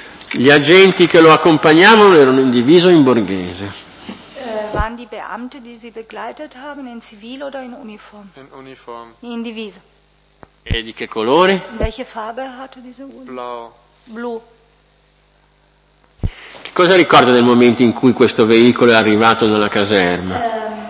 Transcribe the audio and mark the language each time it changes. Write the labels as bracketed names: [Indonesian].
[Italian] Gli agenti che lo accompagnavano erano in divisa in borghese. [German] Waren die Beamte, die Sie begleitet haben, in Zivil oder in Uniform? In Uniform. [Italian] In Divisa. E di che colore? [German] Welche Farbe hatte diese Uniform? Blau. [Italian] Blu. Che cosa ricorda del momento in cui questo veicolo è arrivato nella caserma?